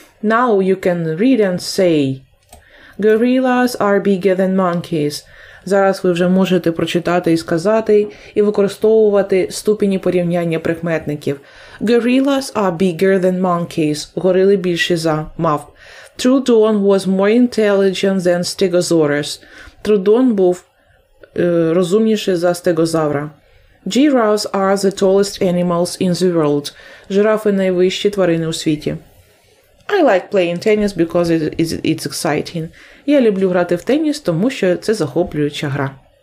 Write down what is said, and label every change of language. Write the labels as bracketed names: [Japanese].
[English] Now you can read and say, gorillas are bigger than monkeys. [Ukrainian] Зараз ви вже можете прочитати і сказати, і використовувати ступені порівняння прикметників. [English] Gorillas are bigger than monkeys. [Ukrainian] Горили більше за мавп. [English] Трудон was more intelligent than stegosaurus. [Ukrainian] Трудон був розумніший за стегозавра. [English] Giraffes are the tallest animals in the world. [Ukrainian] Жирафи – найвищі тварини у світі. [English] I like playing tennis because it's exciting. [Ukrainian] Я люблю грати в теніс, тому що це захоплююча гра.